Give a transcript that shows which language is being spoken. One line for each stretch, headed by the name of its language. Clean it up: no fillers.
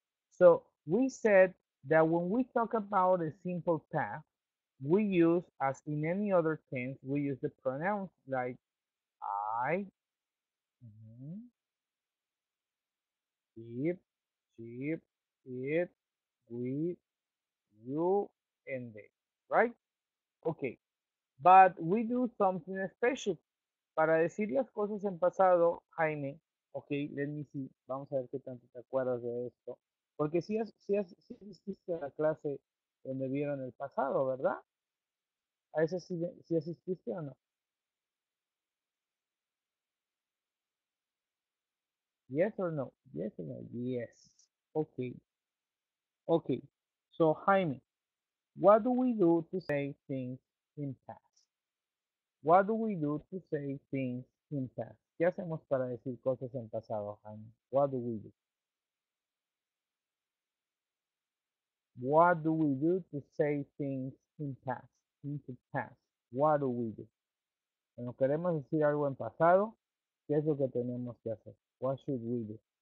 English: So we said that when we talk about a simple past, we use, as in any other tense, we use the pronouns like I, it, sheep, it, we, you, and they, right? Okay, but we do something special.
Spanish: Para decir las cosas en pasado, Jaime, okay,
English: let me see,
Spanish: vamos a ver qué tanto te acuerdas de esto. Porque si asististe a la clase donde vieron el pasado, ¿verdad? ¿A ese sí, sí asististe o no?
English: Yes or no? Yes or no? Yes. Okay. Okay. So, Jaime, what do we do to say things in past? What do we do to say things in past?
Spanish: ¿Qué hacemos para decir cosas en pasado, Jaime?
English: What do we do? What do we do to say things in past? In the past. What do we do?
Spanish: Cuando queremos decir algo en pasado, ¿qué es lo que tenemos que hacer?
English: What should we do?